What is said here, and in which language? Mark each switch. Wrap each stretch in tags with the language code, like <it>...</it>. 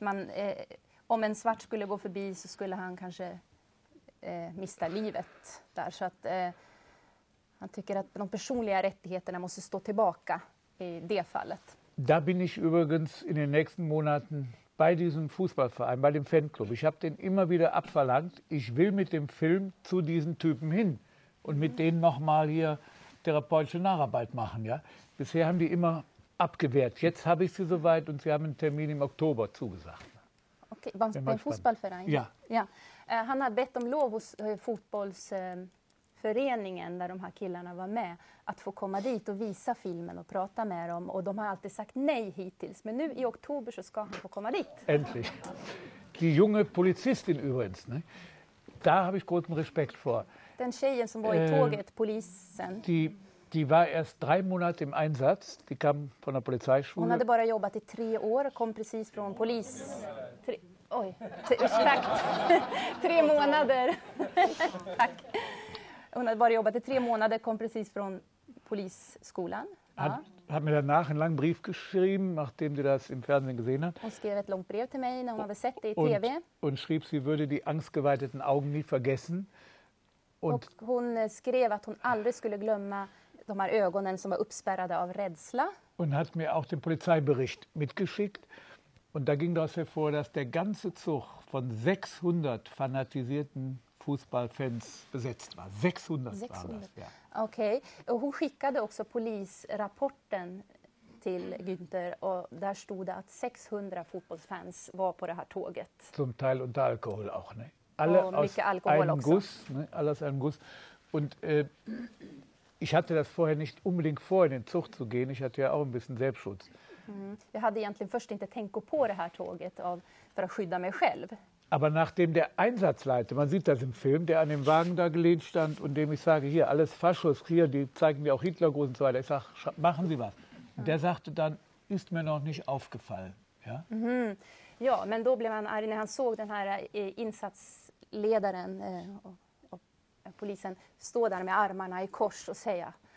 <sv>Man, om en svart skulle gå förbi så skulle han kanske mista livet där. Så att han tycker att de personliga rättigheterna måste stå tillbaka i det fallet.</sv> <de>Da bin ich übrigens in den nächsten Monaten bei diesem Fußballverein, bei dem Fanclub. Ich habe den immer wieder abverlangt. Ich will mit dem Film zu diesen Typen hin und mit denen nochmal hier therapeutische Nacharbeit machen. Ja? Bisher haben die immer abgewehrt. Jetzt habe ich sie soweit und sie haben einen Termin im Oktober zugesagt. Okay, beim Fußballverein? Ja. Ja.</de> <sv>Han har bett om lov hos fotbollsföreningen där de här killarna var med att få komma dit och visa filmen och prata med dem. Och de har alltid sagt nej hittills. Men nu i oktober så ska han få komma dit. Äntligen.</sv> <de>Die junge Polizistin übrigens. Ne? Da habe ich großen Respekt vor.</de> <sv>Den tjejen som var i tåget, polisen.</sv> <de>Die war erst 3 Monate im Einsatz. Die kam von der Polizeischule.</de> <sv>Hon hade bara jobbat i 3 år och kom precis från polis. Ursäkta. 3 månader. Tack. Hon hade bara jobbat i 3 månader, kom precis från polisskolan.</sv> <de>Hat mir danach einen langen Brief geschrieben, nachdem sie das im Fernsehen gesehen hat.</de> <sv>Hon skrev ett långt brev till mig när hon hade sett det i TV.</sv> <de>Und schrieb, sie würde die angstgeweiteten Augen nie vergessen.</de> <sv>Und hon skrev att hon aldrig skulle glömma de här ögonen som var uppspärrade av rädsla.</sv> <de>Und hat mir auch den Polizeibericht mitgeschickt. Und da ging daraus hervor, dass der ganze Zug von 600 fanatisierten Fußballfans besetzt war. 600 waren das, ja.</de> <sv>Okej. Okay. Hon skickade också polisrapporten till Günther och där stod det att 600 fotbollsfans var på det här tåget.</sv> <de>Zum Teil unter Alkohol auch, ne? Alle aus einem Guss, ne? Alles einem Guss. Und ich hatte das vorher nicht unbedingt vor, in den Zug zu gehen. Ich hatte ja auch ein bisschen Selbstschutz. Mm.</de> <sv>Jag hade egentligen först inte tänkt på det här tåget för att skydda mig själv.</sv> <de>Aber nachdem der Einsatzleiter, man sieht das im Film, der an dem Wagen da gelehnt stand und dem ich sage, hier, alles Faschos, hier, die zeigen mir auch Hitlergruß und so weiter. Ich sage, machen Sie was. Und der sagte dann, ist mir noch nicht aufgefallen. Ja, mm-hmm.</de> <sv>Ja, men då blev han arg när han såg den här insatsledaren och polisen stå där med armarna i kors och säga,</sv>